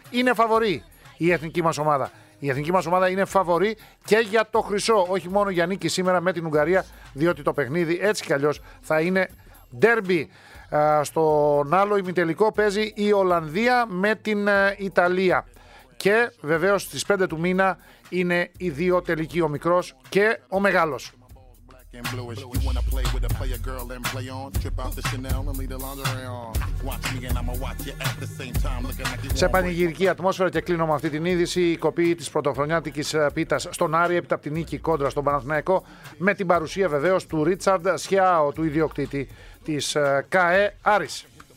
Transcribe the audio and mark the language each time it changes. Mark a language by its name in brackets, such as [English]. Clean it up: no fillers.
[Greek] Είναι φαβορή η εθνική μας ομάδα. Η εθνική μας ομάδα είναι φαβορή και για το χρυσό, όχι μόνο για νίκη σήμερα με την Ουγγαρία, διότι το παιχνίδι έτσι κι αλλιώς θα είναι ντέρμπι. Στον άλλο ημιτελικό παίζει η Ολλανδία με την Ιταλία. Και βεβαίως στις 5 του μήνα είναι οι δύο τελικοί, ο μικρός και ο μεγάλος. [English] And bluish. You wanna play with a player girl and play on. Trip out the Chanel and leave the lingerie on. Watch me and I'ma watch you at the same time. Looking like you want. [Greek] Σε πανηγυρική ατμόσφαιρα και κλείνω με αυτή την είδηση. Η κοπή της πρωτοχρονιάτικης πίτας στον Άρη έπειτα από την νίκη κόντρα στον Παναθηναϊκό, με την παρουσία βεβαίως του Ρίτσαρντ Σιάο, του ιδιοκτήτη της ΚΑΕ Άρης.